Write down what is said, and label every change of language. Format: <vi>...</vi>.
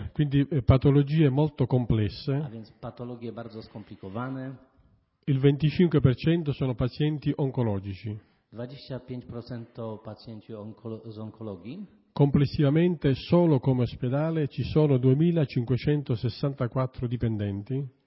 <it>Quindi patologie molto complesse.</it> <pl>A więc patologie bardzo skomplikowane.</pl> <it>Il 25% sono pacienti oncologici.</it> <pl>25% to pacjenci z onkologii.</pl> <it>Complessivamente solo come ospedale ci sono 2564 dipendenti.</it>